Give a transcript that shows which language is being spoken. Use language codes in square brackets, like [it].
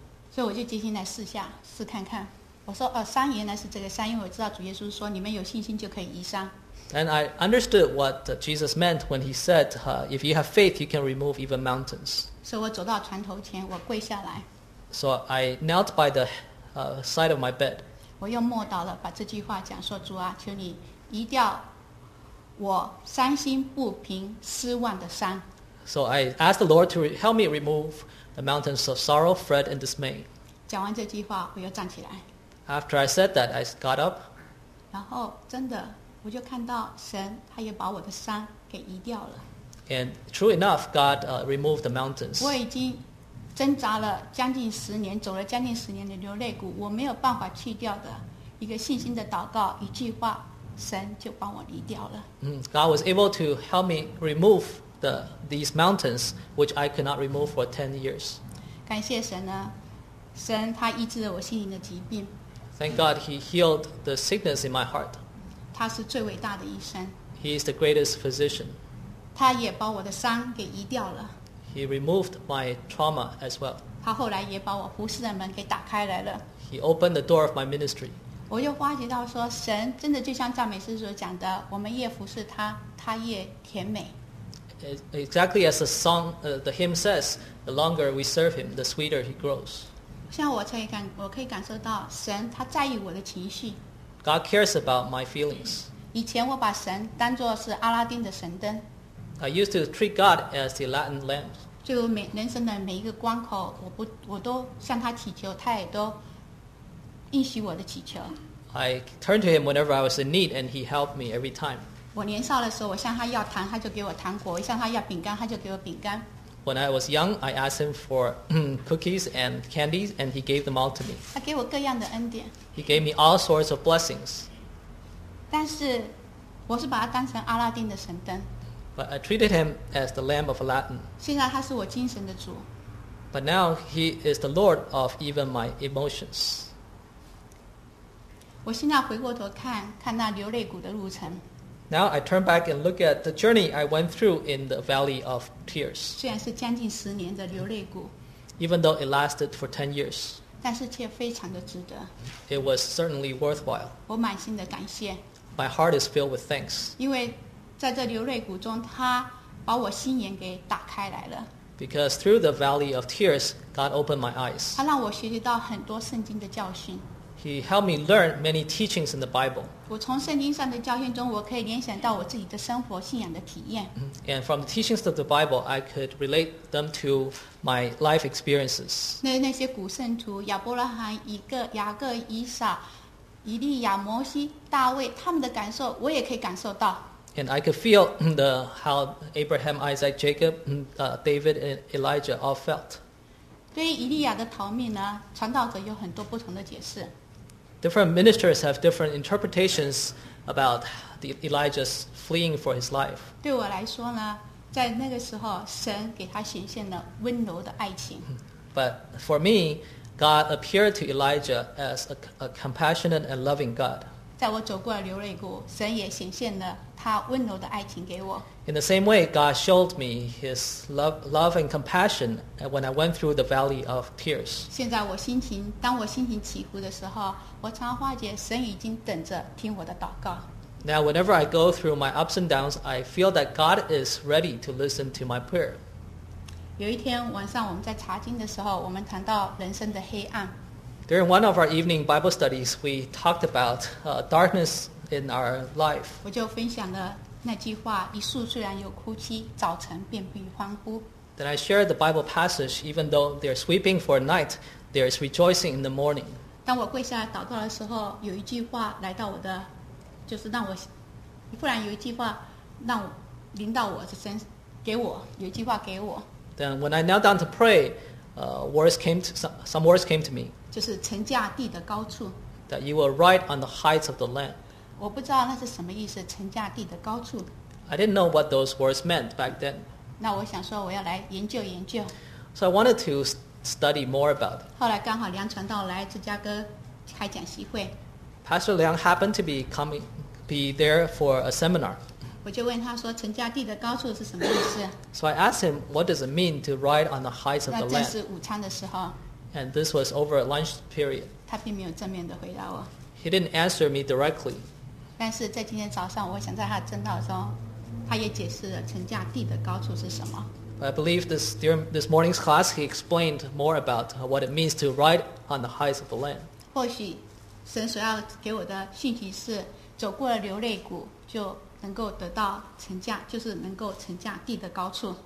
[zh] 所以我就决心来试下，试看看。我说，山原来是这个山，因为我知道主耶稣说，你们有信心就可以移山。 [en] And I understood what Jesus meant when he said, if you have faith, you can remove even mountains. [zh] 所以我走到船头前，我跪下来。 [en] So I knelt by the side of my bed. [zh] 我又默祷了，把这句话讲说，主啊，求你移掉我伤心不平、失望的山。 [en] So I asked the Lord to help me remove the mountains of sorrow, fret, and dismay. [zh] 讲完这句话，我又站起来。 [en] After I said that, I got up. [zh] 然后真的。我就看到神他也把我的山给移掉了。 [en] And true enough, God removed the mountains. [zh] 我已经挣扎了将近十年，走了将近十年的流泪谷，我没有办法去掉的一个信心的祷告，一句话，神就帮我移掉了。 [en] God was able to help me remove these mountains, which I could not remove for 10 years. [zh] 感谢神呢，神他医治了我心灵的疾病。 [en] Thank God he healed the sickness in my heart. [zh] 他是最伟大的医生。 [en] He is the greatest physician. [zh] 他也把我的伤给移掉了。 [en] He removed my trauma as well. [zh] 他后来也把我服侍的门给打开来了。 [en] He opened the door of my ministry. [zh] 我就发觉到说，神真的就像赞美诗所讲的，我们越服侍他，他越甜美。 [en] Exactly as the song, the hymn says, the longer we serve him, the sweeter he grows. [zh] 像我可以感受到神他在意我的情绪。 [en] God cares about my feelings. [zh] 以前我把神当作是阿拉丁的神灯。 [en] I used to treat God as the Aladdin lamp. [zh] 就人生的每一个关口，我都向他祈求，他也都应许我的祈求。 [en] I turned to him whenever I was in need, and he helped me every time. [zh] 我年少的时候，我向他要糖，他就给我糖果；我向他要饼干，他就给我饼干。 [en] When I was young, I asked him for cookies and candies, and he gave them all to me. [zh] 他给我各样的恩典。 [en] He gave me all sorts of blessings. [zh] 但是我是把他当成阿拉丁的神灯。 [en] But I treated him as the lamp of Aladdin. [zh] 现在他是我精神的主。 [en] But now he is the Lord of even my emotions. [zh] 我现在回过头看，看那流泪谷的路程。 [en] Now I turn back and look at the journey I went through in the Valley of Tears. [zh] 虽然是将近十年的流泪谷。 [en] Even though it lasted for 10 years. [zh] 但是却非常的值得。 [en] It was certainly worthwhile. [zh] 我满心的感谢。 [en] My heart is filled with thanks. [zh] 因为在这流泪谷中，他把我心眼给打开来了。 [en] Because through the valley of tears, God opened my eyes. [zh] 他让我学习到很多圣经的教训。 [en] He helped me learn many teachings in the Bible. [zh] 我从圣经上的教训中，我可以联想到我自己的生活信仰的体验。 [en] And from the teachings of the Bible, I could relate them to my life experiences. [zh] 那些古圣徒，亚伯拉罕、雅各、以撒、以利亚、摩西、大卫，他们的感受，我也可以感受到。 [en] And I could feel how Abraham, Isaac, Jacob, David, and Elijah all felt. [zh] 对于以利亚的逃命呢，传道者有很多不同的解释。 [en] Different ministers have different interpretations about Elijah's fleeing for his life. [zh] 对我来说呢，在那个时候，神给他显现了温柔的爱情。 [en] But for me, God appeared to Elijah as a compassionate and loving God. [zh] 在我走过了流泪谷，神也显现了他温柔的爱情给我。 [en] In the same way, God showed me his love and compassion when I went through the valley of tears. [zh] 现在当我心情起伏的时候，我常发觉神已经等着听我的祷告。 [en] Now, whenever I go through my ups and downs, I feel that God is ready to listen to my prayer. [zh] 有一天晚上我们在查经的时候，我们谈到人生的黑暗。 [en] During one of our evening Bible studies, we talked about darkness in our life. [zh] 我就分享了那句话，一树虽然有枯萎，早晨便必欢呼。 [en] Then I share the Bible passage, even though there's weeping for a night, there's rejoicing in the morning. [zh] 当我跪下来祷告的时候，有一句话来到我的，就是让我，忽然有一句话让我临到我的身，给我，有一句话给我。 [en] Then when I knelt down to pray, words came to me. [zh] 就是乘驾地的高处。 [en] That you will ride on the heights of the land. [zh] 我不知道那是什么意思，乘驾地的高处。 [en] I didn't know what those words meant back then. [zh] 那我想说我要来研究研究。 [en] So I wanted to study more about it. [zh] 后来刚好梁传道来芝加哥开讲习会。 [en] Pastor Liang happened to be coming, be there for a seminar. [zh] 我就问他说乘驾地的高处是什么意思。 [en] So I asked him, what does it mean to ride on the heights of the land? [zh] 那正是午餐的时候。 [en] And this was over a lunch period. [zh] 他并没有正面地回答我。 [en] He didn't answer me directly. [zh] 但是在今天早上，我想在他正道中，他也解释了乘驾地的高处是什么。 [en] I believe this morning's class, he explained more about what it means to ride on the heights of the land. [zh] 或许神所要给我的信息是，走过了流泪谷就能够得到乘驾，就是能够乘驾地的高处。